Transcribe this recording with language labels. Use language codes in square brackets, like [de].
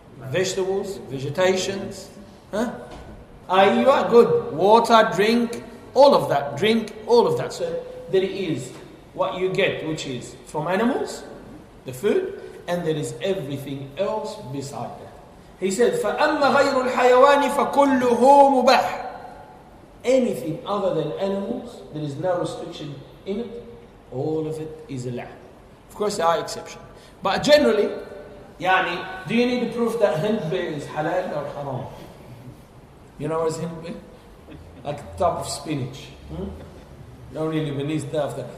[en] Vegetables, vegetations. Huh? You are good. Water, drink, all of that. Drink, all of that. So there is what you get, which is from animals, the food, and there is everything else beside that. He said, [ar] فَأَمَّ غَيْرُ الْحَيَوَانِ فَكُلُّهُ مُبَحٍ. [en] Anything other than animals, there is no restriction in it. All of it is allowed. Of course, there are exceptions. But generally, yani, do you need the proof that hemp bee is halal or haram? You know what is hemp bee? Like a top of spinach. No really beneath that.